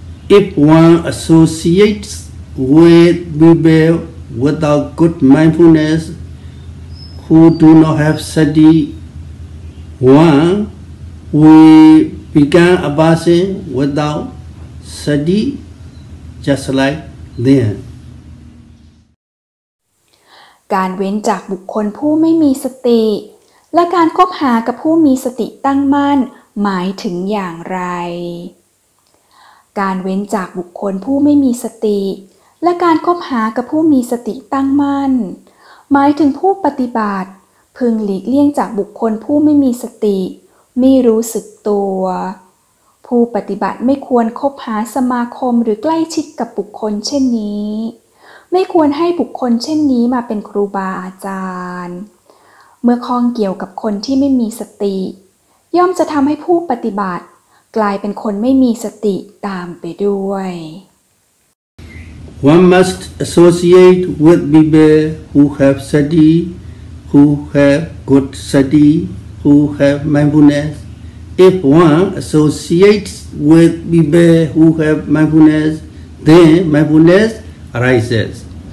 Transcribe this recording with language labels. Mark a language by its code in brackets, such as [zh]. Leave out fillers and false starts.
[en] If one associates,with people without good mindfulness who do not have sati, one will become a person without sati just like them. [th] การเว้นจากบุคคลผู้ไม่มีสติและการคบหากับผู้มีสติตั้งมั่นหมายถึงอย่างไรการเว้นจากบุคคลผู้ไม่มีสติและการคบหากับผู้มีสติตั้งมั่นหมายถึงผู้ปฏิบัติพึงหลีกเลี่ยงจากบุคคลผู้ไม่มีสติไม่รู้สึกตัว ผู้ปฏิบัติไม่ควรคบหาสมาคมหรือใกล้ชิดกับบุคคลเช่นนี้ไม่ควรให้บุคคลเช่นนี้มาเป็นครูบาอาจารย์เมื่อข้องเกี่ยวกับคนที่ไม่มีสติย่อมจะทำให้ผู้ปฏิบัติกลายเป็นคนไม่มีสติตามไปด้วย [en] One must associate with people who have sati, who have good sati, who have mindfulness. If one associates with people who have mindfulness, then mindfulness arises.